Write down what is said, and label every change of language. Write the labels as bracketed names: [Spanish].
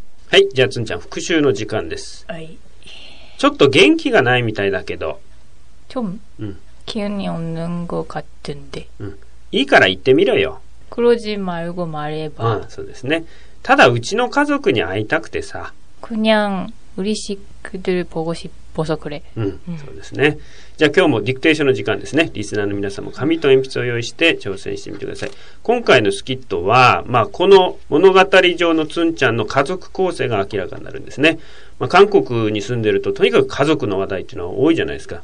[Japanese] はい、じゃあつんちゃん復習の時間です。はい。ちょっと元気がないみたいだけど。ちょん。うん。急に [Korean] 없는것같은데。 [Japanese] うん。いいから言ってみろよ。 [Korean] 그러지말고말해봐。 [Japanese] あ、そうですね。ただうちの家族に会いたくてさ。 [Korean] 그냥우리식들보고싶어。 [Japanese] ボソクレ、うんうん、そうですね。じゃあ今日もディクテーションの時間ですね。リスナーの皆さんも紙と鉛筆を用意して挑戦してみてください。今回のスキットは、まあ、この物語上のツンちゃんの家族構成が明らかになるんですね。まあ、韓国に住んでるととにかく家族の話題っていうのは多いじゃないですか。